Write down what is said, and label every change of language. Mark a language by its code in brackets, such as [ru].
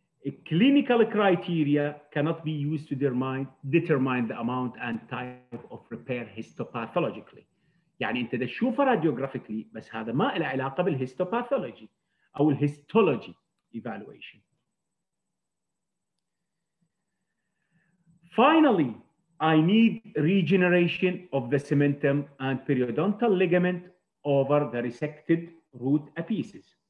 [en] A clinical criteria cannot be used to determine the amount and type of repair histopathologically. [ar] يعني انت تشوفه راديوغرافيكلي بس هذا ما له علاقه بالهيستوباثولوجي او الهيستولوجي ايفالويشن. [en] Finally, I need regeneration of the cementum and periodontal ligament over the resected root apices.